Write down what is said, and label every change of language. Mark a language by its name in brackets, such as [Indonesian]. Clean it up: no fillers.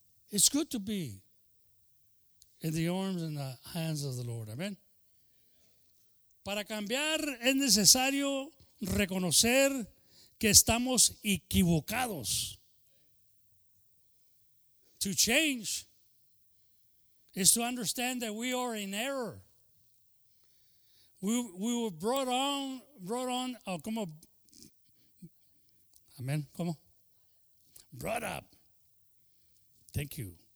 [English] It's good to be in the arms and the hands of the Lord. Amen. [Spanish] Para cambiar es necesario reconocer que estamos equivocados. [English] To change is to understand that we are in error. We were brought on. Oh, come on. Amen. Come on. Brought up. Thank you.